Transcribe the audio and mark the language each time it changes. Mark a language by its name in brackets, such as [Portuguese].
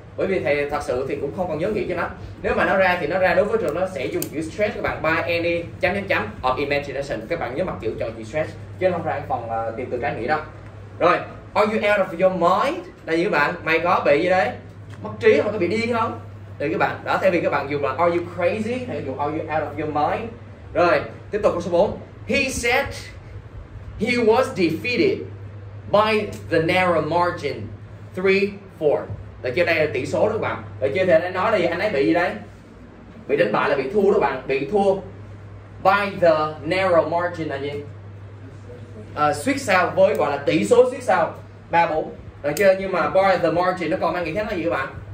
[Vietnamese] Bởi vì thầy thật sự thì cũng không còn nhớ nghĩa cho nó. Nếu mà nó ra thì nó ra, đối với trường nó sẽ dùng chữ stress các bạn, [English] by any [Vietnamese] chấm chấm chấm [English] of imagination. [Vietnamese] Các bạn nhớ mặt chữ cho chữ stress chứ không ra cái phần tìm từ trái nghĩa đâu. Rồi, [English] are you out of your mind? [Vietnamese] Là gì các bạn? Mày có bị gì đấy? Mất trí không? Có bị điên không? Được các bạn. Đó, thay vì các bạn dùng là [English] are you crazy [Vietnamese] thì dùng [English] are you out of your mind. [Vietnamese] Rồi, tiếp tục câu số 4. [English] He said he was defeated by the narrow margin 3-4. [Vietnamese] Được chưa, đây là tỷ số đó các bạn. Được chưa, thì anh ấy nói là gì? Anh ấy bị gì đấy? Bị đánh bại là bị thua đó các bạn. Bị thua [English] by the narrow margin [Vietnamese] là gì? Suýt sao, với gọi là tỷ số suýt sao 3-4. Được chưa, nhưng mà [English] by the margin [Vietnamese] nó còn mang nghĩa khác là gì các bạn?